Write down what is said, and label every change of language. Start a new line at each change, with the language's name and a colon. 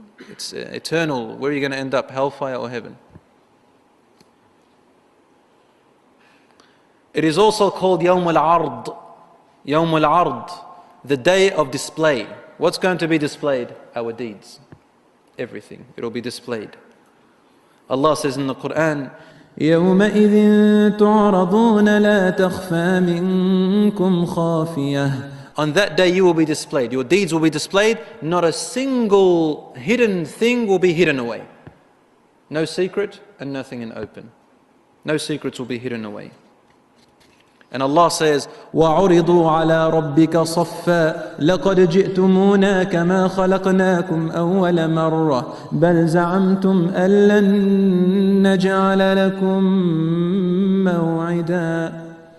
English: It's eternal. Where are you going to end up, hellfire or heaven? It is also called Yawm al-Ard. Yawm al-Ard, the day of display. What's going to be displayed? Our deeds. Everything. It will be displayed. Allah says in the Quran,
Arabic: يَوْمَئِذٍ تُعْرَضُونَ لَا تَخْفَى مِنْكُمْ خَافِيَةٌ.
English: On that day you will be displayed. Your deeds will be displayed. Not a single hidden thing will be hidden away. No secret and nothing in open. No secrets will be hidden away. And Allah says,
Arabic: وَعُرِضُوا عَلَىٰ رَبِّكَ صَفَّا لَقَدْ جِئْتُمُونَا كَمَا خَلَقْنَاكُمْ أَوَّلَ مَرَّةٍ بَلْ زَعَمْتُمْ أَلَّن نَجْعَلَ لَكُمْ مَوْعِدًا.